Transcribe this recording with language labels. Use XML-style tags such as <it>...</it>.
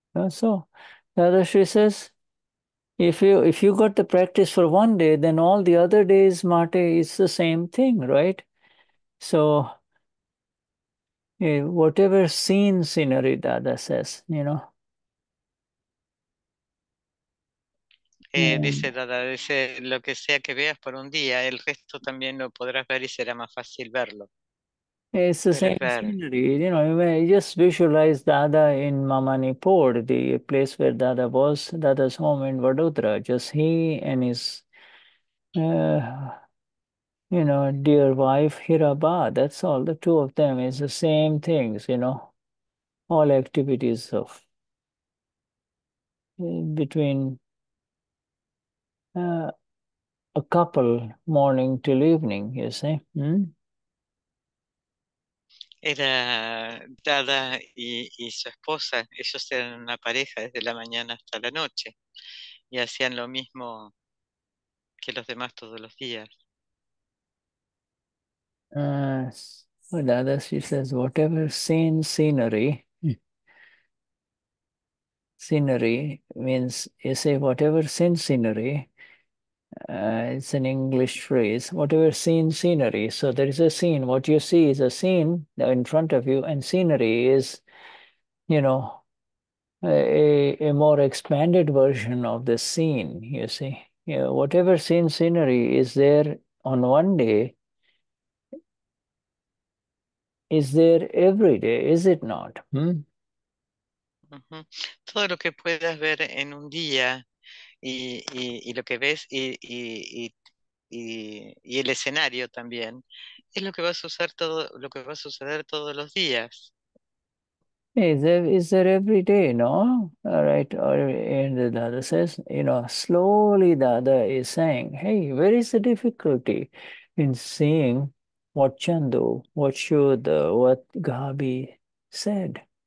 <en>So Dada Sri says, if you got the practice for one day, then all the other days, Mate, it's the same thing, right? So whatever scene scenery, Dada says, you know.</en> <es>Dice Dada, dice lo que sea que veas por un día, el resto también lo podrás ver y será más fácil verlo.</es> <en>It's the same</en> <es>es ver.</es> <en>scenery, you know. You just visualize Dada in Mamanipur, the place where Dada was, Dada's home in Vadodara. Just he and his, you know, dear wife Hiraba. That's all. The two of them is the same things, you know. All activities of between a couple, morning till evening. You see.</en> <es>Era Dada y su esposa, ellos eran una pareja desde la mañana hasta la noche y hacían lo mismo que los demás todos los días.</es> <en>Dada, she says, whatever scene scenery, scenery means, you say, whatever scene scenery, it's an English phrase, whatever scene scenery. So there is a scene, what you see is a scene in front of you, and scenery is, you know, a more expanded version of the scene, you see. You know, whatever scene scenery is there on one day, is there every day, is it not?</en> <es>Todo lo que puedas ver en un día y lo que ves y el escenario también es lo que vas a usar todo lo que va a suceder todos los días.</es> <en>Is there every day, no? All right, and the Dada says, you know, slowly Dada is saying, hey, where is the difficulty in seeing what Chandu, what Shuddha, what Gabi said?</en>